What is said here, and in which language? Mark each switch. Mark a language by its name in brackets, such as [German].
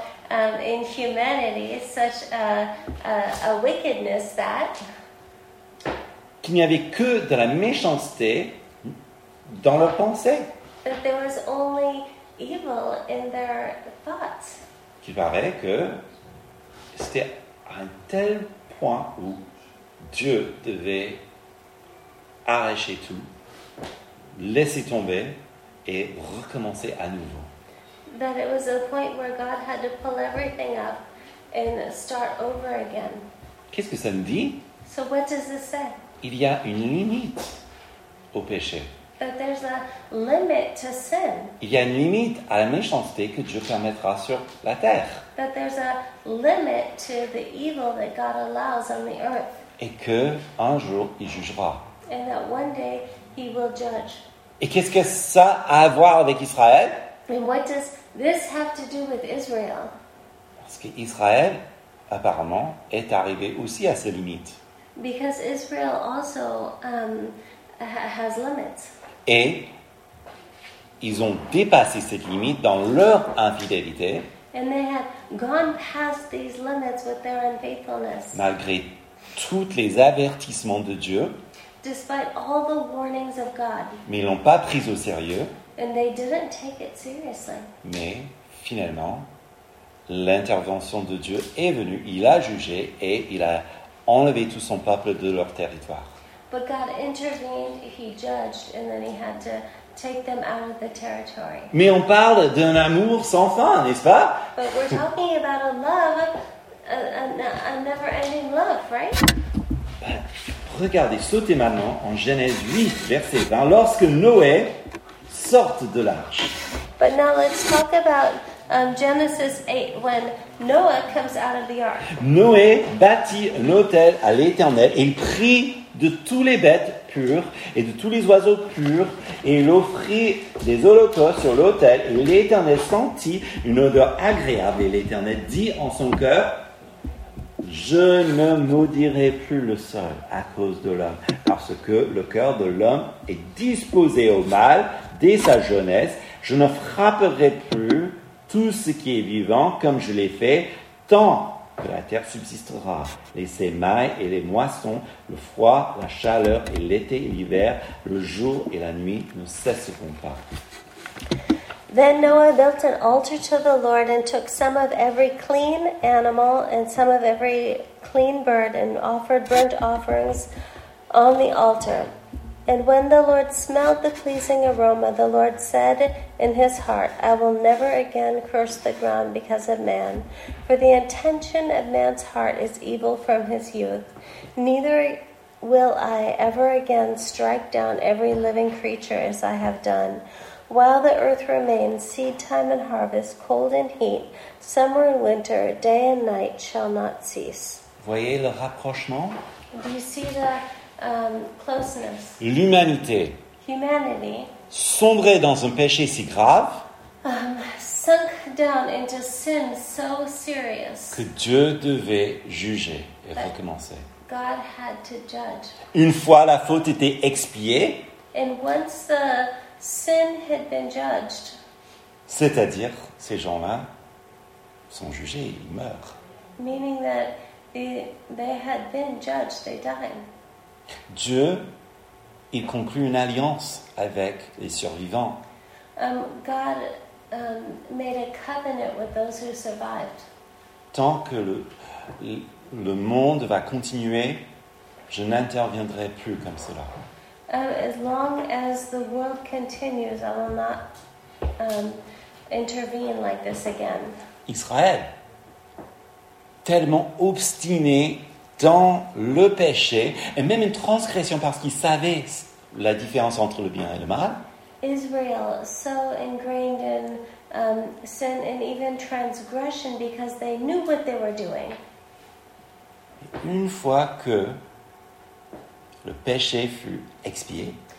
[English] In humanity, such a wickedness that [French] qu'il n'y avait que de la méchanceté dans leurs pensées. [English] That there was only evil in their thoughts. [French] Qu'il paraît que c'était à un tel point où Dieu devait arracher tout, laisser tomber et recommencer à nouveau. [English] That it was a point where God had to pull everything up and start over again. [French] Qu'est-ce que ça nous dit? [English] So what does this say? [French] Il y a une limite au péché. [English] That there's a limit to sin. [French] Il y a une limite à la méchanceté que Dieu permettra sur la terre. [English] That there's a limit to the evil that God allows on the earth. [French] Et que un jour il jugera. [English] And that one day he will judge. [French] Et qu'est-ce que ça a à voir avec Israël? [English] And what does this have to do with Israel? [French] Parce que Israël, apparemment, est arrivé aussi à ses limites. [English] Because Israel also has limits. [French] Et ils ont dépassé cette limite dans leur infidélité. [English] And they have gone past these limits with their unfaithfulness. [French] Malgré tous les avertissements de Dieu. [English] Despite all the warnings of God. [French] Mais ils l'ont pas pris au sérieux. [English] And they didn't take it seriously. [French] Mais finalement, l'intervention de Dieu est venue, il a jugé et il a enlevé tout son peuple de leur territoire. [English] But God intervened, he judged, and then he had to take them out of the territory. [French] Mais on parle d'un amour sans fin, n'est-ce pas? [English] But we're talking about a love, a never-ending love, right? [French] Regardez, sautez maintenant en Genèse 8, verset 20, lorsque Noé sorte de l'arche. [English] But now let's talk about Genesis 8, when Noah comes out of the ark. [French] Noé bâtit un autel à l'Éternel et il prit de tous les bêtes pures et de tous les oiseaux purs et il offrit des holocaustes sur l'autel et l'Éternel sentit une odeur agréable et l'Éternel dit en son cœur, je ne maudirai plus le sol à cause de l'homme parce que le cœur de l'homme est disposé au mal dès sa jeunesse. Je ne frapperai plus tout ce qui est vivant comme je l'ai fait tant que la terre subsistera. Les semailles et les moissons, le froid, la chaleur et l'été et l'hiver, le jour et la nuit ne cesseront pas. [English] Then Noah built an altar to the Lord and took some of every clean animal and some of every clean bird and offered burnt offerings on the altar. And when the Lord smelled the pleasing aroma, the Lord said in his heart, I will never again curse the ground because of man, for the intention of man's heart is evil from his youth. Neither will I ever again strike down every living creature as I have done. While the earth remains, seed time and harvest, cold and heat, summer and winter, day and night shall not cease. [French] Voyez le rapprochement? [English] Do you see the closeness? [French] L'humanité. [English] Humanity. [French] Sombré dans un péché si grave. [English] Sunk down into sin so serious. [French] Que Dieu devait juger et that recommencer. [English] God had to judge. [French] Une fois la faute était expiée. [English] And once the sin had been judged. [French] C'est-à-dire, ces gens-là sont jugés, ils meurent. [English] Meaning that they had been judged, they died. [French] Dieu, il conclut une alliance avec les survivants. [English] God made a covenant with those who survived. [French] Tant que le monde va continuer, je n'interviendrai plus comme cela. [English] As long as the world continues, I will not intervene like this again. [French] Israël, tellement obstiné dans le péché et même une transgression parce qu'ils savaient la différence entre le bien et le mal. [English] Israel, so ingrained in sin and even transgression because they knew what they were doing. [French] Une fois que le péché fut expié,